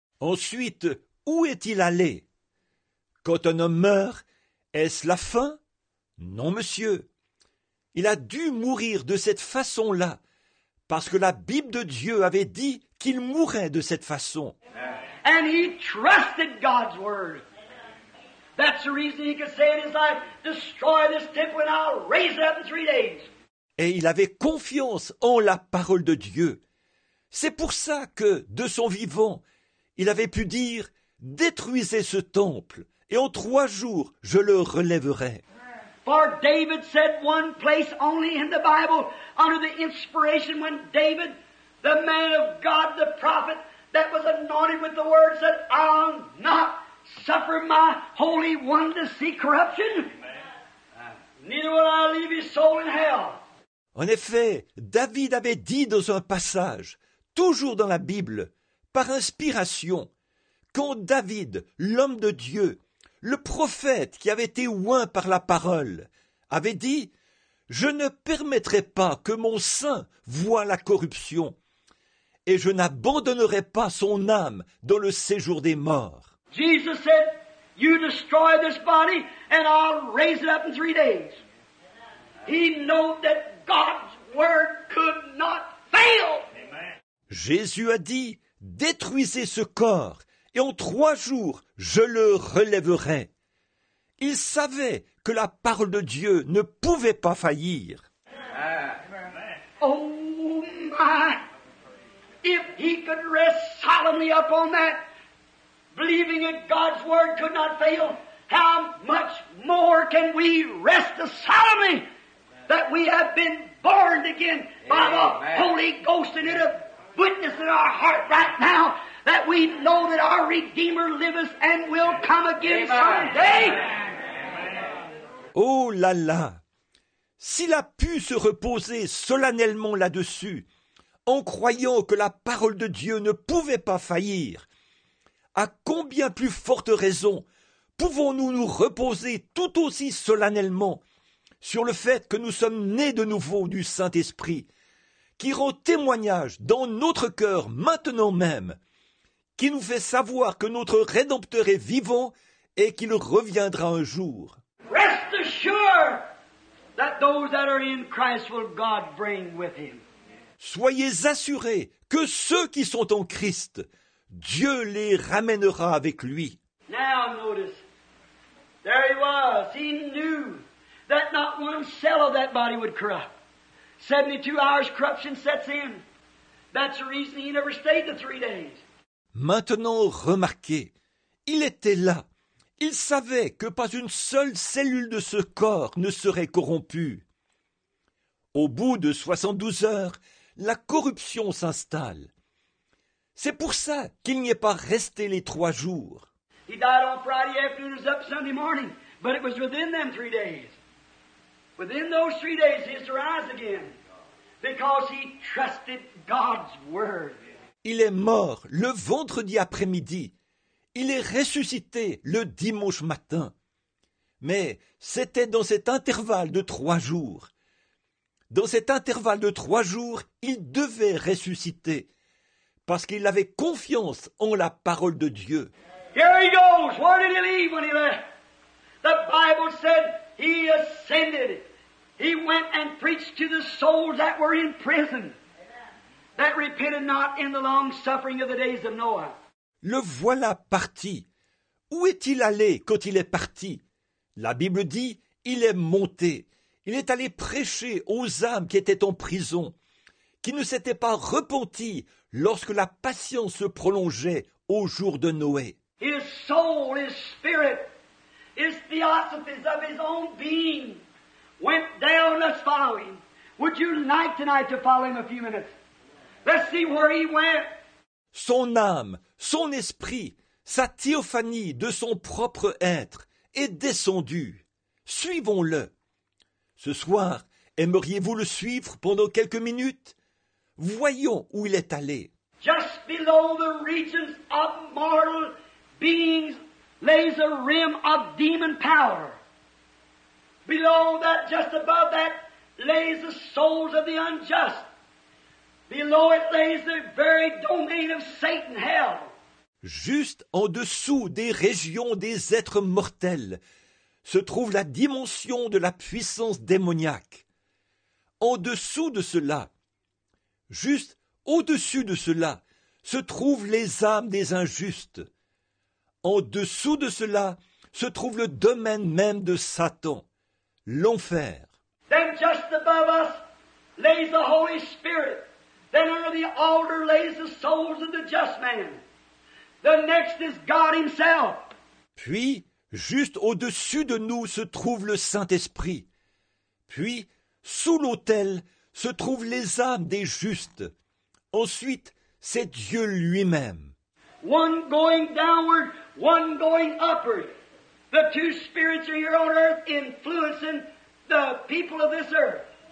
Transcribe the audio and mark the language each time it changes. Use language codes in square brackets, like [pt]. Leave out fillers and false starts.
[fr] Ensuite, où est-il allé? Quand un homme meurt, est-ce la fin? Non, monsieur. Il a dû mourir de cette façon-là parce que la Bible de Dieu avait dit qu'il mourrait de cette façon. [en] And he trusted God's word. That's the reason he could say in his life, destroy this temple and I'll raise it up in 3 days. [fr] Et il avait confiance en la parole de Dieu. C'est pour ça que, de son vivant, il avait pu dire « Détruisez ce temple, et en 3 jours, je le relèverai. » [en] For David said one place only in the Bible, under the inspiration, when David, the man of God, the prophet, that was anointed with the word, said, I'll not suffer my holy one to see corruption. Neither will I leave his soul in hell. [fr] En effet, David avait dit dans un passage, toujours dans la Bible, par inspiration, quand David, l'homme de Dieu, le prophète qui avait été oint par la parole, avait dit « Je ne permettrai pas que mon sein voie la corruption et je n'abandonnerai pas son âme dans le séjour des morts. » [en] Jesus said, « You destroy this body and I'll raise it up in 3 days. » He knew that God's word could not fail. [fr] Jésus a dit « Détruisez ce corps. » Et en 3 jours, je le relèverai. Il savait que la parole de Dieu ne pouvait pas faillir. [en] Oh my! If he could rest solemnly upon that, believing that God's word could not fail, how much more can we rest solemnly that we have been born again by the Holy Ghost and it a witness in our heart right now? That we know that our Redeemer lives and will come again someday. [fr] Oh là là! S'il a pu se reposer solennellement là-dessus, en croyant que la parole de Dieu ne pouvait pas faillir, à combien plus forte raison pouvons-nous nous reposer tout aussi solennellement sur le fait que nous sommes nés de nouveau du Saint-Esprit, qui rend témoignage dans notre cœur maintenant même, qui nous fait savoir que notre Rédempteur est vivant et qu'il reviendra un jour. [en] Rest assured that those that are in Christ will God bring with him. [fr] Soyez assurés que ceux qui sont en Christ, Dieu les ramènera avec lui. [en] Now notice, there he was. He knew that not one cell of that body would corrupt. 72 hours corruption sets in. That's the reason he never stayed the 3 days. [fr] Maintenant, remarquez, il était là. Il savait que pas une seule cellule de ce corps ne serait corrompue. Au bout de 72 heures, la corruption s'installe. C'est pour ça qu'il n'y est pas resté les 3 jours. [en] He died on Friday afternoon, was up Sunday morning, but it was within them 3 days. Within those 3 days, he has to rise again, because he trusted God's word. [fr] Il est mort le vendredi après-midi. Il est ressuscité le dimanche matin. Mais c'était dans cet intervalle de 3 jours. Dans cet intervalle de 3 jours, il devait ressusciter parce qu'il avait confiance en la parole de Dieu. [en] Here he goes. Where did he leave when he left? The Bible said he ascended. He went and preached to the souls that were in prison. That repented not in the long suffering of the days of Noah. [fr] Le voilà parti. Où est-il allé quand il est parti? La Bible dit, il est monté. Il est allé prêcher aux âmes qui étaient en prison, qui ne s'étaient pas repenties lorsque la patience se prolongeait au jour de Noé. [en] His soul, his spirit, his theosophies of his own being went down as following. Would you like tonight to follow him a few minutes? Let's see where he went. [fr] Son âme, son esprit, sa théophanie de son propre être est descendue. Suivons-le. Ce soir, aimeriez-vous le suivre pendant quelques minutes? Voyons où il est allé. [en] Just below the regions of mortal beings lays a rim of demon power. Below that, just above that, lays the souls of the unjust. Below it lays the very domain of Satan, hell. [fr] Juste en dessous des régions des êtres mortels se trouve la dimension de la puissance démoniaque. En dessous de cela, juste au-dessus de cela, se trouvent les âmes des injustes. En dessous de cela se trouve le domaine même de Satan, l'enfer. [en] Then just above us lays the Holy Spirit. Then under the altar lays the souls of the just man. The next is God Himself. [fr] Puis, juste au-dessus de nous se trouve le Saint-Esprit. Puis, sous l'autel se trouvent les âmes des justes. Ensuite, c'est Dieu lui-même. [en] One going downward, one going upward. The two spirits are here on earth influencing the people of this earth.